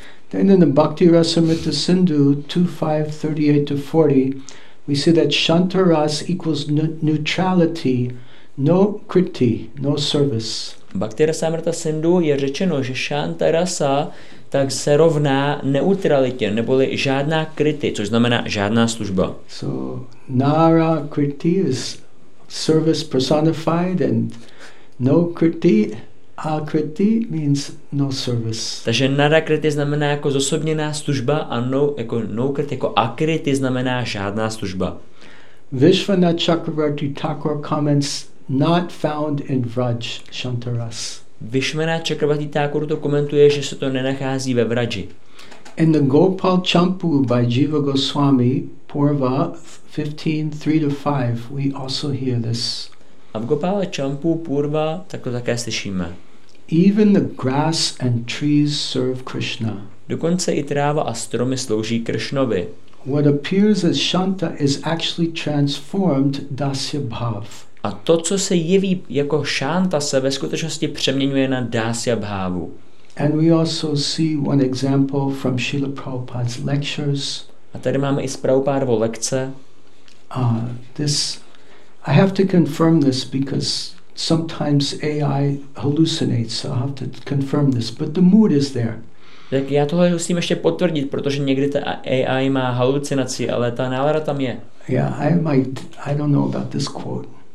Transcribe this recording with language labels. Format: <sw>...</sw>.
<en>Then in the Bhakti Rasamrita Sindhu 2.5.38-40 we see that Shantaras equals neutrality. No kriti, no service.</en> <cs>Bhakti Rasamrita Sindhu je řečeno, že Shantarasa tak se rovná neutralitě, neboli žádná kriti, což znamená žádná služba.</cs> <en>So nara kriti is service personified and no kriti, a kriti means no service.</en> <cs>Takže nara kriti znamená jako zosobněná služba a no kriti jako akriti znamená žádná služba.</cs> <en>Vishvanatha Chakravarti Thakur comments not found in Vraj Shantaras.</en> <cs>Vishvanatha Chakravarti Thakur to komentuje, že se to nenachází ve Vraji.</cs> <en>In the Gopal Champu by Jiva Goswami, Purva 15:3-5, we also hear this.</en> <cs>A v Gopala Champu Purva tak to také slyšíme.</cs> <en>Even the grass and trees serve Krishna.</en> <cs>Dokonce i tráva a stromy slouží Krishnovi.</cs> <en>What appears as Shanta is actually transformed Dasya Bhav.</en> <cs>A to, co se jeví jako Shanta, se ve skutečnosti přeměňuje na Dasya Bhavu.</cs> <en>And we also see one example from Srila Prabhupada's lectures.</en> <cs>A tady máme i z Prabhupádovo lekce.</cs> <en>This I have to confirm this because sometimes AI hallucinates, so I have to confirm this, but the mood is there.</en> <cs>Tak já tohle musím ještě potvrdit, protože někdy ta AI má halucinaci, ale ta nálada tam je.</cs> <en>Yeah, I might, I don't know about this quote.</en>